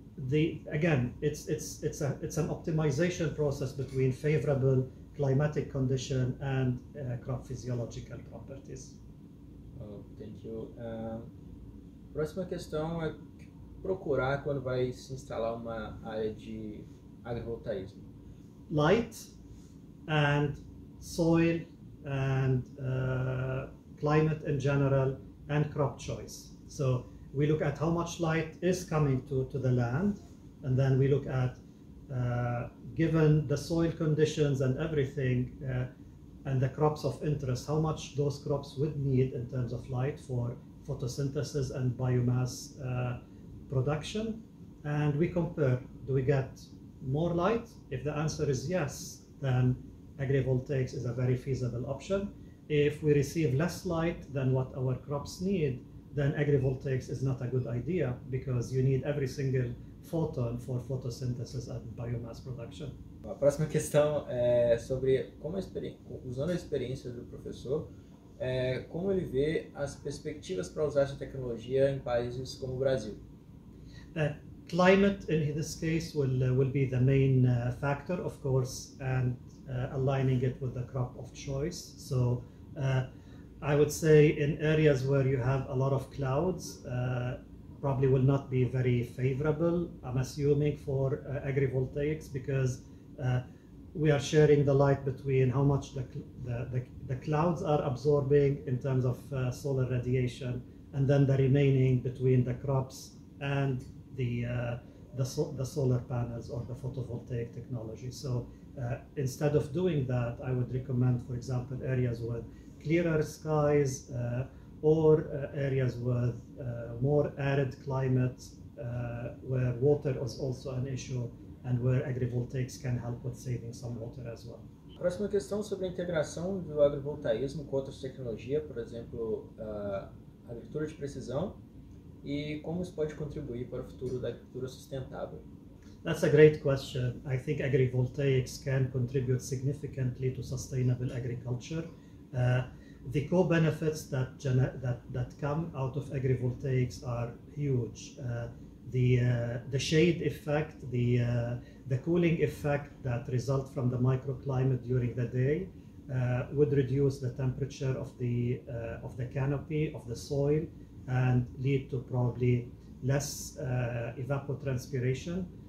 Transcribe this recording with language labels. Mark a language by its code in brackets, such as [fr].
[en] It's an optimization process between favorable climatic condition and crop physiological properties. Oh, thank you. [pt] Próxima questão é procurar quando vai se instalar uma área de agrovoltaísmo. [en] Light and soil and climate in general and crop choice. So we look at how much light is coming to the land, and then we look at given the soil conditions and everything and the crops of interest, how much those crops would need in terms of light for photosynthesis and biomass production. And we compare, do we get more light? If the answer is yes, then agrivoltaics is a very feasible option. If we receive less light than what our crops need, then agrivoltaics is not a good idea because you need every single photon for photosynthesis and biomass production. [pt] A próxima questão é sobre como usando a experiência do professor, como ele vê as perspectivas para usar essa tecnologia em países como o Brasil. [en] Climate in this case will be the main factor, of course, and aligning it with the crop of choice. So I would say in areas where you have a lot of clouds, probably will not be very favorable, I'm assuming, for agrivoltaics, because we are sharing the light between how much the clouds are absorbing in terms of solar radiation, and then the remaining between the crops and the solar panels or the photovoltaic technology. So instead of doing that, I would recommend, for example, areas with clearer skies or areas with more arid climate where water is also an issue and where agrivoltaics can help with saving some water as well. [pt] Próxima questão sobre a integração do agrovoltaísmo com outras tecnologias, por exemplo, agricultura de precisão, e como isso pode contribuir para o futuro da agricultura sustentável. [en] That's a great question. I think agrivoltaics can contribute significantly to sustainable agriculture. The co-benefits that come out of agrivoltaics are huge. The shade effect, the cooling effect that result from the microclimate during the day would reduce the temperature of the canopy, of the soil, and lead to probably less evapotranspiration.